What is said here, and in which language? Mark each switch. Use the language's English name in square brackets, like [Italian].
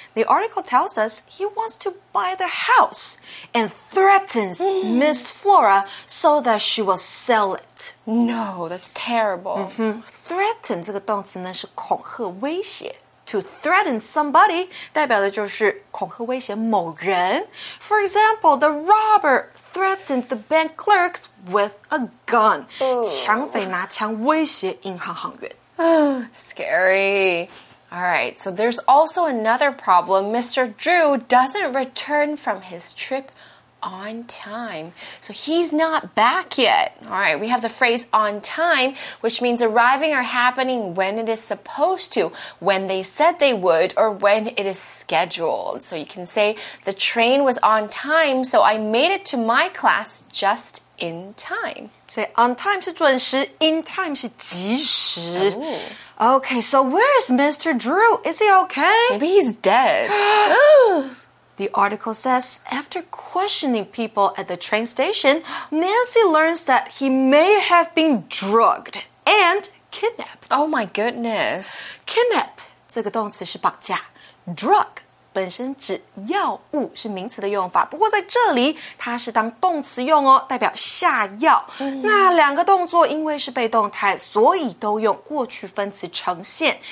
[English] The article tells us he wants to buy the house and threatens Miss Flora so that she will sell it. No, that's terrible. [Chinese] Mm-hmm. Threaten 这个动词呢是恐吓威胁。 To threaten somebody 代表的就是恐吓威胁某人。 [English] For example, the robber threatened the bank clerks with a gun. [Chinese] 抢匪拿枪威胁银行行员。 [English] Scary. All right, so there's also another problem. Mr. Drew doesn't return from his trip on time. So he's not back yet. All right, we have the phrase on time, which means arriving or happening when it is supposed to, when they said they would, or when it is scheduled. So you can say, the train was on time, so I made it to my class just in time. [Chinese] So on time 是准时 ,in time 是及时。 [English] Okay, so where is Mr. Drew? Is he okay? Maybe he's dead. The article says, after questioning people at the train station, Nancy learns that he may have been drugged and kidnapped. Oh my goodness. [Chinese] Kidnap, 这个动词是绑架。 Drug, 本身指药物是名词的用法。不过在这里它是当动词用哦代表下药。那两个动作因为是被动态所以都用过去分词呈现。